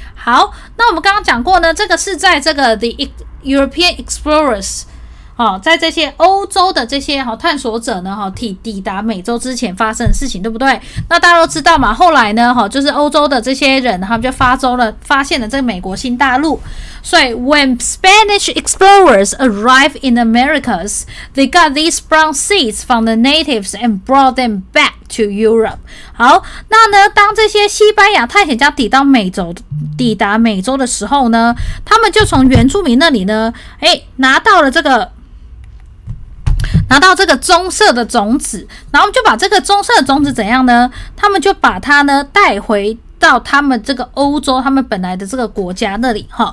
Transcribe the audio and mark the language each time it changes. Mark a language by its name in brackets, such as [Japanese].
[Chinese] 好，那我们刚刚讲过呢，这个是在这个 [English] The European Explorers [Chinese] 在这些欧洲的这些探索者呢抵达美洲之前发生的事情，对不对？那大家都知道嘛，后来呢就是欧洲的这些人他们就发现了这个美国新大陆。所以 [English] When Spanish explorers arrived in Americas, they got these brown seeds from the natives and brought them back to Europe. [Chinese] 好，那呢当这些西班牙探险家抵达美洲的时候呢，他们就从原住民那里呢拿到这个棕色的种子，然后就把这个棕色的种子怎样呢，他们就把它呢带回到他们这个欧洲他们本来的这个国家那里。